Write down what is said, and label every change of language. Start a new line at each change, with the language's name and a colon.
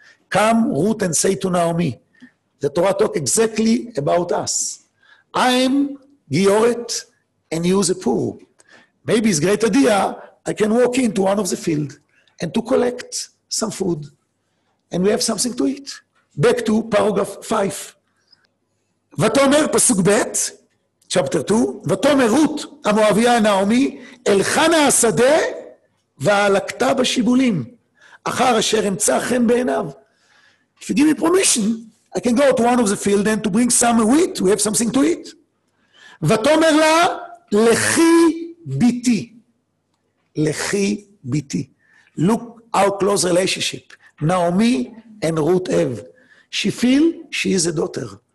English: Come, root and say to Naomi. The Torah talk exactly about us. I am Giyoret and you the poor. Maybe it's a great idea, I can walk into one of the field and to collect some food. And we have something to eat. Back to paragraph 5.
Hebrew: ותאמר פסוק ב',
English: chapter 2,
Hebrew: ותאמר רות המואביה נעמי, אל חנה השדה והלקטה בשיבולים, אחר אשר אמצא חן בעיניו.
English: If you give me permission, I can go to one of the field and to bring some wheat, we have something to eat.
Hebrew: ותאמר לה, לכי ביתי. לכי ביתי.
English: Look our close relationship. Naomi and Ruth have. She feel she is a daughter.